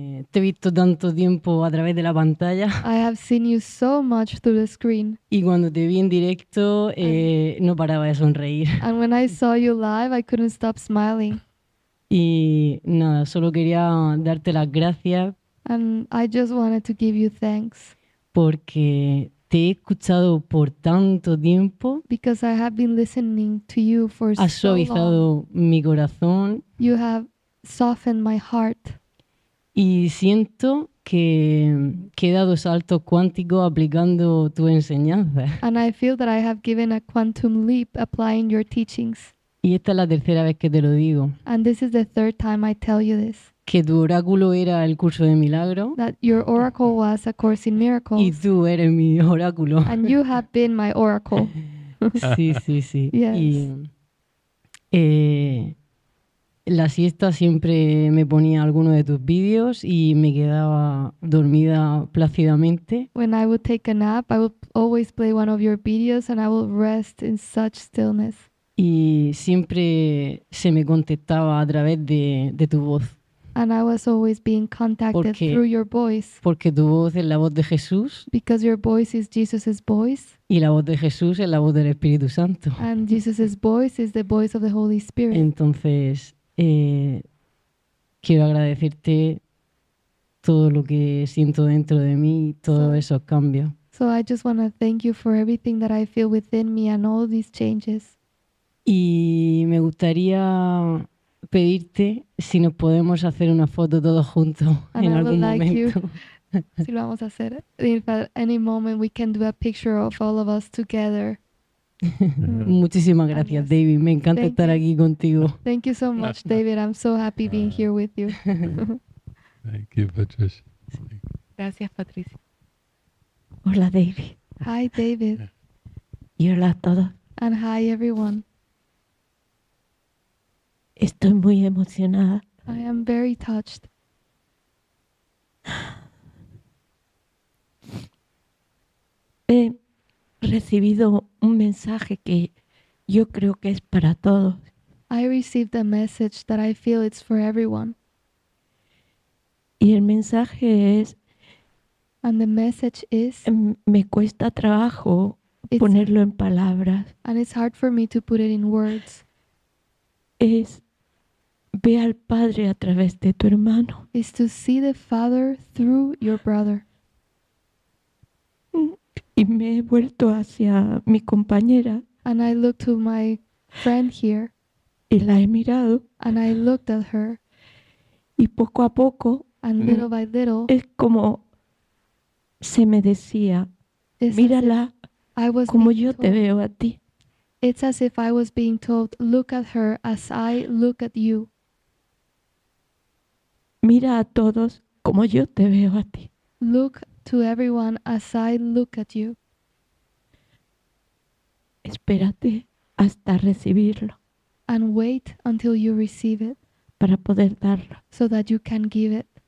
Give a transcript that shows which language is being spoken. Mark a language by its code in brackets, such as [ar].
[es] Te he visto tanto tiempo a través de la pantalla. [en] I have seen you so much through the screen. [es] Y cuando te vi en directo, no paraba de sonreír. [en] And when I saw you live, I couldn't stop smiling. [es] Y nada, solo quería darte las gracias. [en] And I just wanted to give you thanks. [es] Porque te he escuchado por tanto tiempo. [en] Because I have been listening to you for so long. [es] Has suavizado mi corazón. [en] You have softened my heart. [es] Y siento que he dado saltos cuánticos aplicando tu enseñanza. [en] And I feel that I have given a quantum leap applying your teachings. [es] Y esta es la tercera vez que te lo digo. [en] And this is the third time I tell you this. [es] Que tu oráculo era el curso de milagro. [en] That your oracle was a course in miracles. [es] Y tú eres mi oráculo. [en] And you have been my oracle. [es] Sí. [en] Yes. [es] Y la siesta siempre me ponía alguno de tus vídeos y me quedaba dormida plácidamente. [en] When I would take a nap, I would always play one of your videos and I would rest in such stillness. [es] Y siempre se me contestaba a través de tu voz. [en] And I was always being contacted [es] porque, [en] through your voice. [es] Porque tu voz es la voz de Jesús. [en] Because your voice is Jesus's voice. [es] Y la voz de Jesús es la voz del Espíritu Santo. [en] And Jesus's voice is the voice of the Holy Spirit. [es] Entonces, quiero agradecerte todo lo que siento dentro de mí, todos esos cambios. [en] So I just want to thank you for everything that I feel within me and all these changes. [es] Y me gustaría pedirte si nos podemos hacer una foto todos juntos en algún momento. [en] You, [es] si lo vamos a hacer. [en] If at any moment we can do a picture of all of us together. [es] Muchísimas gracias, yes. David. Me encanta [en] Thank [es] estar [en] you. [es] Aquí contigo. [en] Thank you so much, David. I'm so happy being here with you. Thank you, Patricia. [es] Gracias, Patricia. Hola, David. [en] Hi, David. [es] Y hola a todos. [en] And hi, everyone. [es] Estoy muy emocionada. [en] I am very touched. [es] He recibido un mensaje que yo creo que es para todos. [en] I received a message that I feel it's for everyone. [es] Y el mensaje es... [en] And the message is... [es] Me cuesta trabajo ponerlo en palabras. [en] And it's hard for me to put it in words. [es] Es... Ve al Padre a través de tu hermano. [en] Is to see the Father through your brother. [es] Y me he vuelto hacia mi compañera. [en] And I looked to my friend here. [es] Y la he mirado. [en] And I looked at her. [es] Y poco a poco. [en] And little by little. [es] Es como se me decía. Mírala. [en] I was [es] como yo te veo a ti. [en] It's as if I was being told, look at her as I look at you. [es] Mira a todos como yo te veo a ti. [en] Look to everyone as I look at you. [es] Espérate hasta recibirlo. [en] And wait until you receive it. [es] Para poder darlo. [en] So that you can give it.